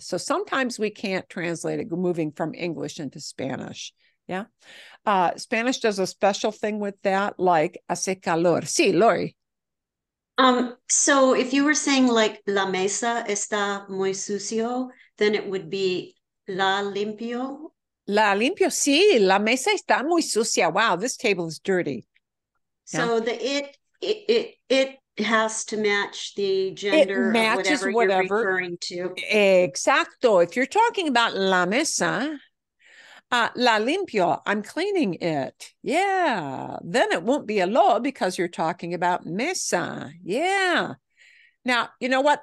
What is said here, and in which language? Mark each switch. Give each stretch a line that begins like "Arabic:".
English: So sometimes we can't translate it moving from English into Spanish. Yeah. Spanish does a special thing with that, like
Spanish: hace calor. Sí, Lori.
English: So if you were saying like
Spanish: la mesa está muy sucio,
English: then it would be
Spanish: la limpio. La limpio, sí, la mesa está muy sucia.
English: Wow, this table is dirty. Yeah. So the it has to match the gender it matches of whatever you're referring to.
Spanish: Exacto.
English: If you're talking about la mesa.
Spanish: La limpio,
English: I'm cleaning it. Yeah, then it won't be a lo because you're talking about mesa. Yeah. Now, you know what?